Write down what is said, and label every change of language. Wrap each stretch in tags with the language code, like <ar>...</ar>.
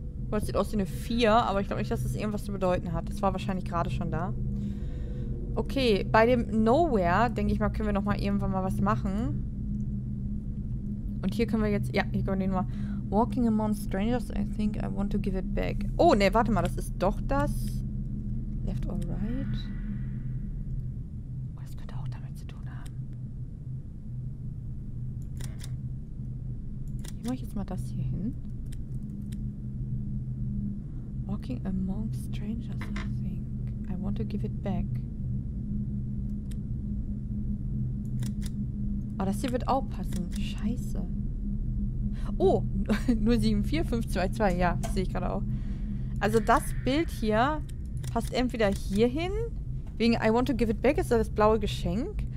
<de>Boah, das sieht aus wie eine 4, aber ich glaube nicht, dass es irgendwas zu bedeuten hat. Das war wahrscheinlich gerade schon da. Okay, bei dem Nowhere, denke ich mal, können wir nochmal irgendwann mal was machen. Und hier können wir jetzt... Ja, hier können wir den mal...</de> <en>Walking among strangers, I think I want to give it back.</en> <de>Oh, ne, warte mal, das ist doch das.</de> <en>Left or right.</en> <de>Oh, das könnte auch damit zu tun haben. Hier mache ich jetzt mal das hier hin.</de> <en>Walking among strangers, I think I want to give it back.</en> <de>Oh, das hier wird auch passen. Scheiße. Oh, 074522, ja, sehe ich gerade auch. Also das Bild hier passt entweder hier hin, wegen</de> <en>I want to give it back,</en> <de>ist das blaue Geschenk.</de>